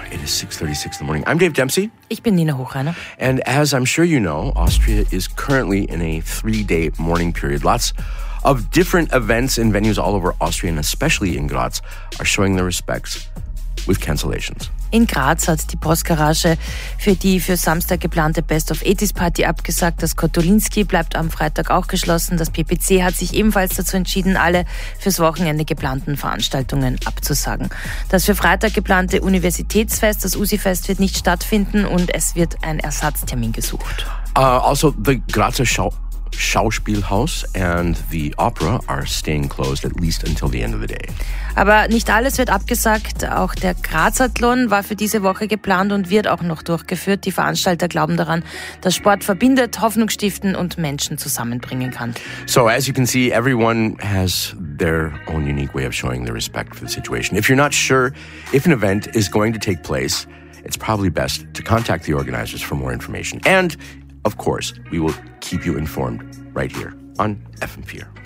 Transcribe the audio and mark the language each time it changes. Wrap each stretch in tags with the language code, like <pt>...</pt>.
<en>It is 6:36 in the morning. I'm Dave Dempsey.</en> <de>Ich bin Nina Hochreiner.</de> <en>And as I'm sure you know, Austria is currently in a 3-day mourning period. Lots of different events and venues all over Austria, and especially in Graz, are showing their respects with cancellations.</en> <de>In Graz hat die Postgarage für die für Samstag geplante Best of 80s Party abgesagt. Das Kotolinski bleibt am Freitag auch geschlossen. Das PPC hat sich ebenfalls dazu entschieden, alle fürs Wochenende geplanten Veranstaltungen abzusagen. Das für Freitag geplante Universitätsfest, das USI-Fest, wird nicht stattfinden und es wird ein Ersatztermin gesucht.</de> <en>Also the Grazer Schauspielhaus and the opera are staying closed at least until the end of the day.</en> <de>Aber nicht alles wird abgesagt. Auch der Grazathlon war für diese Woche geplant und wird auch noch durchgeführt. Die Veranstalter glauben daran, dass Sport verbindet, Hoffnung stiften und Menschen zusammenbringen kann.</de> <en>So, as you can see, everyone has their own unique way of showing their respect for the situation. If you're not sure if an event is going to take place, it's probably best to contact the organizers for more information. And of course, we will keep you informed right here on FM4.</en>